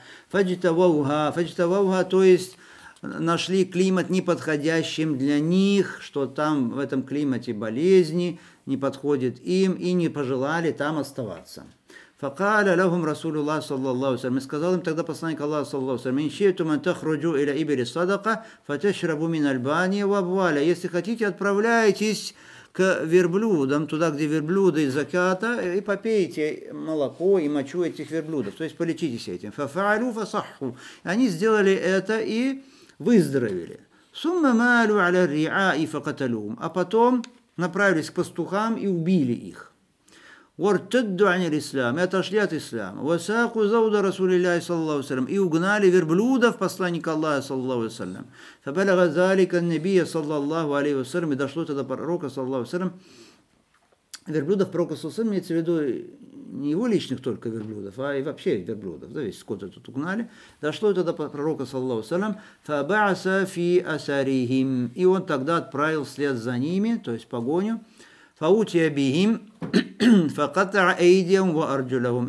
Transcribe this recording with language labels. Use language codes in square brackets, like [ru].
[ar] فجتووها, [ru] то есть нашли климат неподходящим для них, что там в этом климате болезни не подходит им и не пожелали там оставаться. [ar] فقال لهم رسول الله صلى الله عليه وسلم [ru] сказал им тогда посланник Аллаха [ar] صلى الله عليه وسلم إن شئتم أن تخرجوا إلى إبل الصدقة فتشربوا من البانية وأبوالها. [ru] Если хотите, отправляйтесь к верблюдам, туда, где верблюды из заката, и попейте молоко и мочу этих верблюдов, то есть полечитесь этим. [ar] ففعلوا فصحوا. [ru] Они сделали это и выздоровели. [ar] ثم مالوا على الرعاء فقتلوهم. [ru] А потом направились к пастухам и убили их. [ar] وارتدوا عن الإسلام, [ru] отошли от ислама. [ar] وساقوا ذود رسول الله صلى الله عليه وسلم, [ru] и угнали верблюдов посланника Аллаха [ar] صلى الله عليه وسلم. فبلغ ذلك النبي صلى الله عليه وسلم, [ru] и дошло это до пророка [ar] صلى الله عليه وسلم. [ru] Верблюдов пророка [ar] صلى الله عليه وسلم, [ru] имеется в виду не его личных только верблюдов, а и вообще верблюдов, да, весь скот этот угнали. Дошло это до пророка [ar] صلى الله عليه وسلم. فبعث في أثارهم, [ru] и он тогда отправил след за ними, то есть погоню. [ar] فَأُوتِيَ بِهِمْ فَقَطَعَ أَيْدِيَهُمْ وَأَرْجُلَهُمْ.